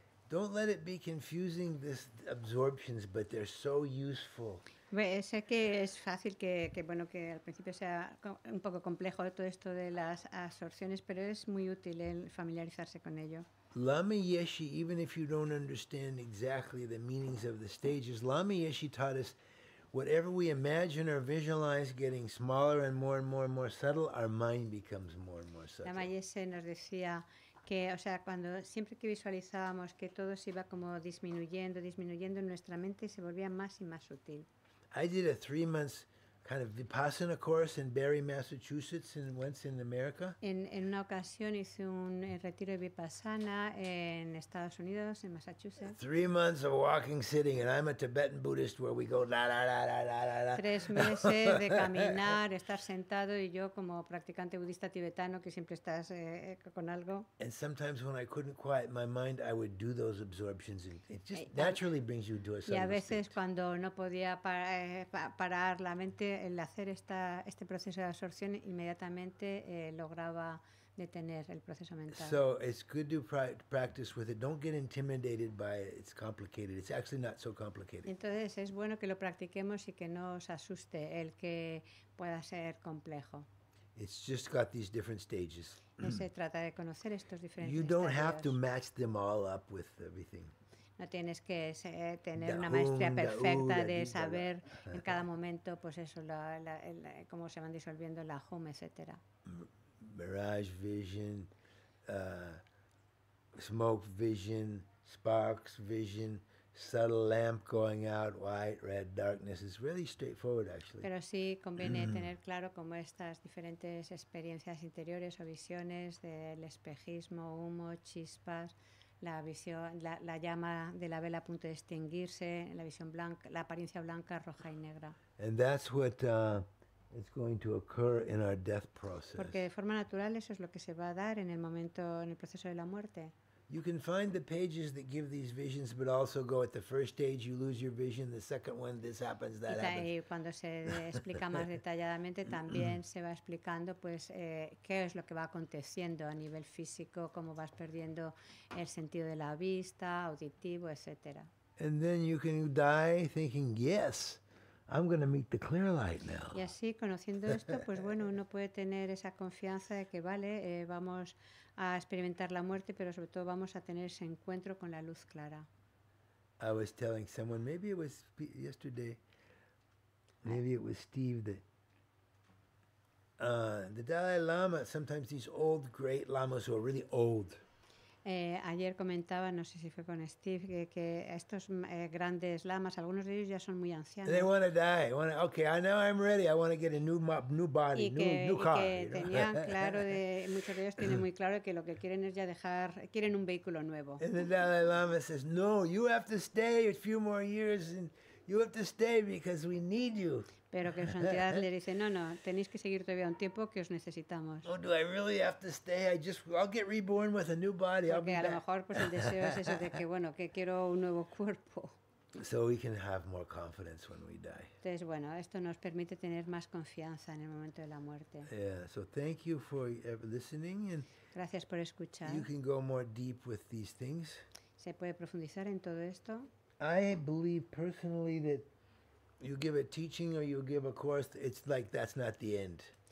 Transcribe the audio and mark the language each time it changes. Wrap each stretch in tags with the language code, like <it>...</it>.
<en>Don't let it be confusing, this absorptions, but they're so useful.</en> <es>Bueno, sé que es fácil que bueno que al principio sea un poco complejo todo esto de las absorciones, pero es muy útil el familiarizarse con ello.</es> <en>Lama Yeshe, even if you don't understand exactly the meanings of the stages, Lama Yeshe taught us whatever we imagine or visualize getting smaller and more and more and more subtle, our mind becomes more and more subtle.</en> <es>Lama Yeshe nos decía que, o sea, cuando siempre que visualizábamos que todo se iba como disminuyendo, nuestra mente se volvía más y más sutil.</es> <en>I did a 3 months kind of Vipassana course in Barre, Massachusetts, and once in America.</en> <es>En una ocasión hice un retiro de Vipassana en Estados Unidos, en Massachusetts.</es> <en>3 months of walking, sitting, and I'm a Tibetan Buddhist where we go la la la la la la.</en> <es>3 meses de caminar, estar sentado, y yo como practicante budista tibetano que siempre estás con algo.</es> <en>And sometimes when I couldn't quiet my mind, I would do those absorptions, and it just naturally brings you to a subtle state.</en> <es>Y a veces cuando no podía parar la mente, el hacer este proceso de absorción inmediatamente lograba detener el proceso mental.</es> <en>So it's good to practice with it. Don't get intimidated by it. It's complicated. It's actually not so complicated.</en> <es>Entonces es bueno que lo practiquemos y que no os asuste el que pueda ser complejo.</es> <en>It's just got these different stages.</en> <es>No se trata de conocer estos diferentes</es> <en>You don't</en> <es>estadios.</es> <en>Have to match them all up with everything.</en> <es>No tienes que tener una maestría perfecta de saber en cada momento, pues eso, cómo se van disolviendo la hum, etc.</es> <en>Mirage vision, smoke vision, sparks vision, subtle lamp going out, white, red, darkness. It's really straightforward, actually.</en> <es>Pero sí conviene tener claro cómo estas diferentes experiencias interiores o visiones del espejismo, humo, chispas, la visión, la llama de la vela a punto de extinguirse, la visión blanca, la apariencia blanca, roja y negra.</es> <en>And that's what is going to occur in our death process.</en> <es>Porque de forma natural eso es lo que se va a dar en el momento, en el proceso de la muerte.</es> <en>You can find the pages that give these visions, but also go at the first stage, you lose your vision, the second one, this happens, that happens.</en> <es>Y cuando se explica más detalladamente, también se va explicando, pues, qué es lo que va aconteciendo a nivel físico, cómo vas perdiendo el sentido de la vista, auditivo, etc.</es> <en>And then you can die thinking, yes, I'm going to meet the clear light now.</en> <es>Y así, conociendo esto, pues bueno, uno puede tener esa confianza de que, vale, vamos a experimentar la muerte, pero sobre todo vamos a tener ese encuentro con la luz clara.</es> <en>I was telling someone, maybe it was yesterday, maybe it was Steve, that the Dalai Lama, sometimes these old great lamas who are really old.</en> <es>Ayer comentaba, no sé si fue con Steve, que estos grandes lamas, algunos de ellos ya son muy ancianos.</es> <en>They want to die. Okay, I know I'm ready. I want to get a new body, new car.</en> <es>Y que tenían claro, muchos de ellos tienen muy claro que lo que quieren es ya dejar, quieren un vehículo nuevo.</es> <en>And the Dalai Lama says, no, you have to stay a few more years and you have to stay because we need you.</en> <es>Pero que su entidad le dice, no, tenéis que seguir todavía un tiempo que os necesitamos.</es> <en>Oh, do I really have to stay? I'll get reborn with a new body.</en> <es>Porque</es> <en>I'll</en> <es>a lo mejor pues el deseo es ese de que, bueno, que quiero un nuevo cuerpo.</es> <en>So we can have more confidence when we die.</en> <es>Entonces, bueno, esto nos permite tener más confianza en el momento de la muerte.</es> <en>Yeah, so thank you for listening. And</en> <es>gracias por escuchar.</es> <en>You can go more deep with these things.</en> <es>Se puede profundizar en todo esto.</es> <en>I believe personally that you give a teaching or you give a course, it's like that's not the end.</en>